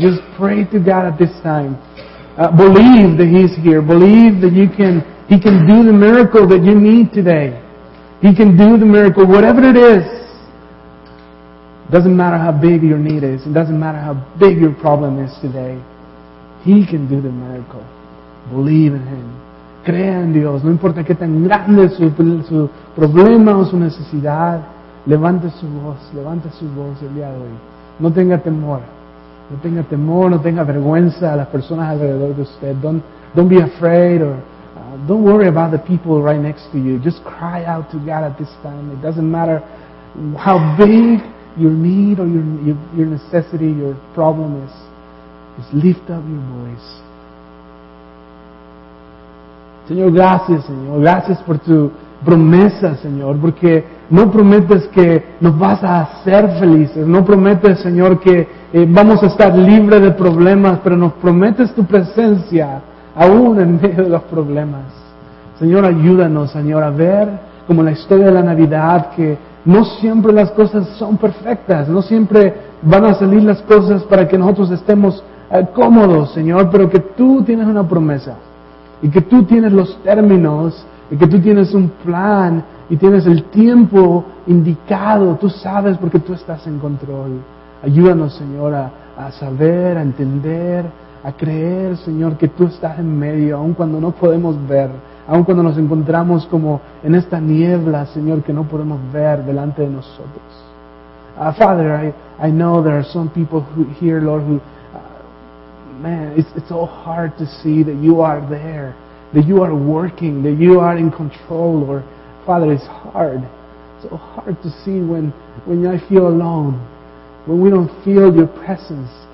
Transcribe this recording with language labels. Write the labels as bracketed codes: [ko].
[en] Just pray to God at this time. Believe that He's here. Believe that He can do the miracle that you need today. He can do the miracle, whatever it is. Doesn't matter how big your need is. It doesn't matter how big your problem is today. He can do the miracle. Believe in Him. [es] Crea en Dios. No importa qué tan grande es su problema o su necesidad. Levante su voz. Levante su voz el día de hoy. No tenga temor. No tenga temor. No tenga vergüenza a las personas alrededor de usted. [en] Don't be afraid. Don't worry about the people right next to you. Just cry out to God at this time. It doesn't matter how big your need or your necessity, your problem is, just lift up your voice. [es] Señor, gracias, Señor. Gracias por tu promesa, Señor, porque no prometes que nos vas a hacer felices. No prometes, Señor, que vamos a estar libres de problemas, pero nos prometes tu presencia aún en medio de los problemas. Señor, ayúdanos, Señor, a ver como la historia de la Navidad, que no siempre las cosas son perfectas, no siempre van a salir las cosas para que nosotros estemos cómodos, Señor, pero que tú tienes una promesa y que tú tienes los términos y que tú tienes un plan y tienes el tiempo indicado. Tú sabes porque tú estás en control. Ayúdanos, Señor, a saber, a entender, a creer, Señor, que tú estás en medio, aun cuando no podemos ver, aun cuando nos encontramos como en esta niebla, Señor, que no podemos ver delante de nosotros. [en] Father, I know there are some people who, here, Lord, who, man, it's so hard to see that you are there, that you are working, that you are in control, Lord. Father, it's hard, so hard to see when I feel alone, when we don't feel your presence.